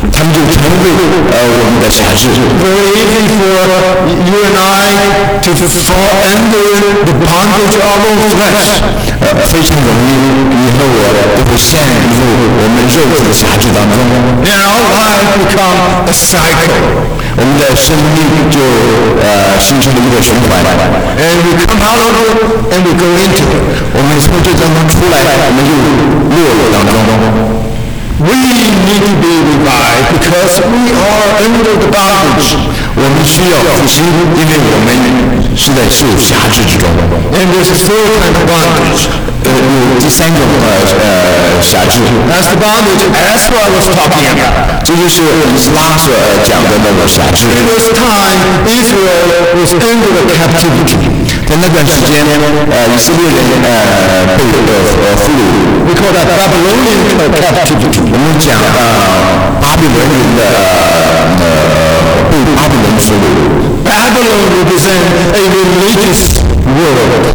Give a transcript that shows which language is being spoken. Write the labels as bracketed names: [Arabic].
[Chinese] 他们就成为我们的辖制。 [English] Very easy for you and I to fall under the bondage of our own flesh. [Chinese] 非常容易，以后我都会陷入我们肉体的辖制当中。 [English] And our life become a cycle. [Chinese] 我们的生命就形成了一个循环。 [English] And we come out of it and we go into it. [Chinese] 我们从这当中出来，我们就落入当中。 [English] We need to be revived because we are under the bondage. [Chinese] 我们需要复兴，因为我们是在受辖制之中。 [English] And there's a third kind of bondage. [Chinese] 有第三种辖制。 [English] That's the bondage. That's what I was talking about. [Chinese] 这就是我们拉所讲的那个辖制。 [English] It was time Israel was under the captivity. [Chinese] 在那段时间以色列人被俘虏。 [English] We call that Babylonian captivity. [Chinese] 我们讲巴比伦人的被巴比伦俘虏。 [English] Babylon represents a religious world.